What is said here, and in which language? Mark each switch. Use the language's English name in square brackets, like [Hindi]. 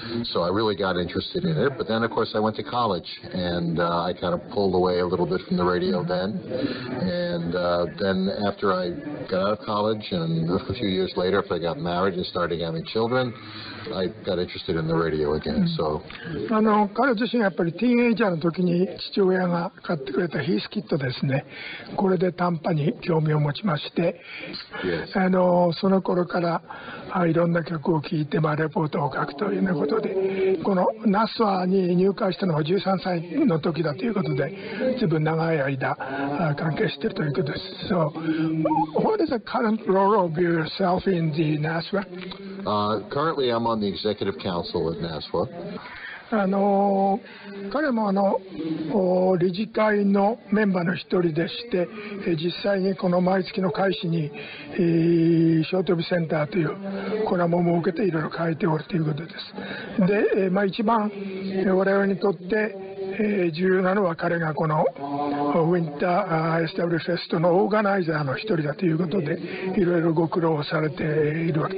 [English] So I really got interested in it. But then, of course, I went to college, and I kind of pulled away a little bit from the radio then. And then after I got out of college, and a few years later, after I got married and started having children, I got interested in the radio again, so. [Japanese] 彼自身やっぱりティーンエイジャーの時に父親が買ってくれたヒースキットですね、これで短波に興味を持ちまして、 [English] yes. [Japanese] その頃からいろんな曲を聴いて、レポートを書くというようなことで、このナスワに入会したのは13歳の時だということで、ずいぶん長い間関係しているということです。 [English] So, what is the current role of yourself in the NASWA? Currently I'm on the executive council at NASWA. [Japanese] 彼も理事会のメンバーの一人でして、実際にこの毎月の開始に、ショートビセンターというコラムを設けていろいろ書いておるということです。で、一番我々にとって重要なのは彼がこのウィンター SW フェストのオーガナイザーの一人だということで、いろいろご苦労されているわけ。